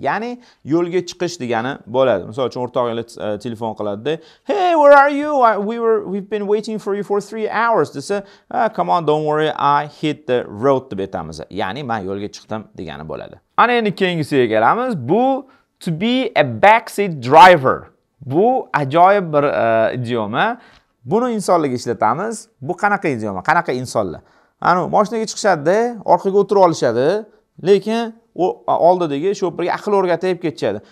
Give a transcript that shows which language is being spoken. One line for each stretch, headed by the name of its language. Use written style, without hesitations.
Uzbek: Ya'ni yo'lga chiqish degani bo'ladi. Misol uchun o'rtog'ingiz telefon qiladi-da,
English: "Hey, where are you? We've been waiting for you for 3 hours."
Uzbek: desa,
English: "Come on, don't worry, I hit the road"
Uzbek: deb aytamiz. Ya'ni men yo'lga chiqdim degani bo'ladi. Ana endi keyingisiga kelamiz. Bu
English: to be a backseat driver.
Uzbek: Bu ajoyib bir idioma. Buni insonlarga ishlatamiz. Bu qanaqa idioma? Qanaqa insonlar? Ana mashinaga chiqishadi, orqaga o'tirib olishadi, lekin u oldidagi shopirga aql o'rgatib ketishadi.